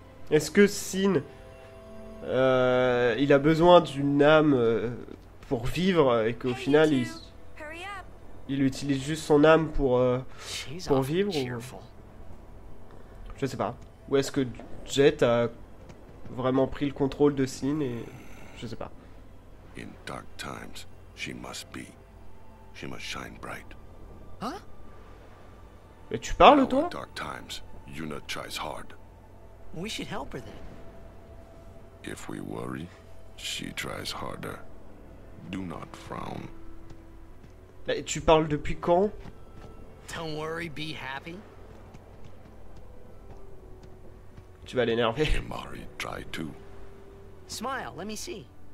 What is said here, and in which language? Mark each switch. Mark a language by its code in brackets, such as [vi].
[fr] Est-ce que Sin, il a besoin d'une âme pour vivre et qu'au final il utilise juste son âme pour vivre, ou... Je sais pas. Ou est-ce que Jet a vraiment pris le contrôle de Sin et je sais pas. [en] In dark times, she must shine bright. Huh? [fr] Mais tu parles, toi? [en] Dark times, Yuna tries hard. We should help her then. If we worry, she tries harder. Do not frown. [fr] Mais tu parles depuis quand? [en] Don't worry, be happy. [fr] Tu vas l'énerver. [en] Imari, try too. Smile, let me see.